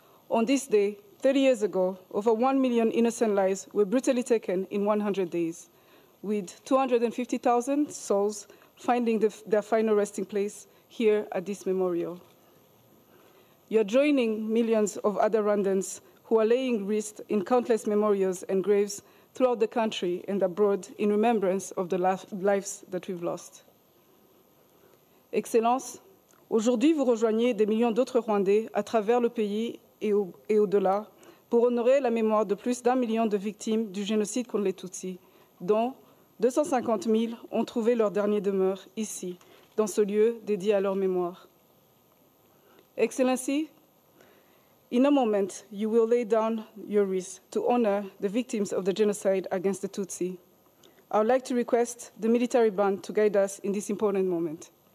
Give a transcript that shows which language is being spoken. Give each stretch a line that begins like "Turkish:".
English: On this day, 30 years ago, over 1 million innocent lives were brutally taken in 100 days, with 250,000 souls finding their final resting place here at this memorial. You're joining millions of other Rwandans who are laying wreaths in countless memorials and graves throughout the country and abroad in remembrance of the lives that we've lost.
French: Excellence, aujourd'hui vous rejoignez des millions d'autres Rwandais à travers le pays et au-delà pour honorer la mémoire de plus d'un million de victimes du génocide contre les Tutsi, dont 250 000 ont trouvé leur dernier demeure ici, dans ce lieu dédié à leur mémoire.
English: Excellency, in a moment, you will lay down your wreaths to honor the victims of the genocide against the Tutsi. I would like to request the military band to guide us in this important moment.